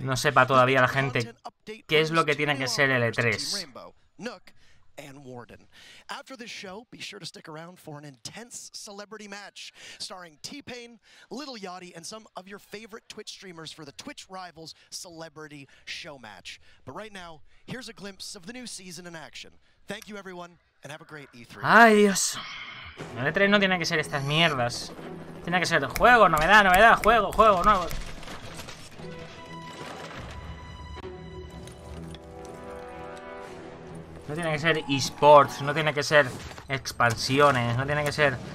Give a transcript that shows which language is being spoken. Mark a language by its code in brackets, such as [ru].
[es] No sepa todavía la gente qué es lo que tiene que ser el E3. [en] And Warden. After this show, be sure to stick around for an intense celebrity match starring T-Pain, Little Yachty, and some of your favorite Twitch streamers for the Twitch Rivals Celebrity Show Match. But right now, here's a glimpse of the new season in action. Thank you, everyone, and have a great E3. [es] Ay, Dios. El E3 no tiene que ser estas mierdas. Tiene que ser juego, novedad, novedad, juego, juego, nuevo. No tiene que ser eSports, no tiene que ser expansiones, no tiene que ser...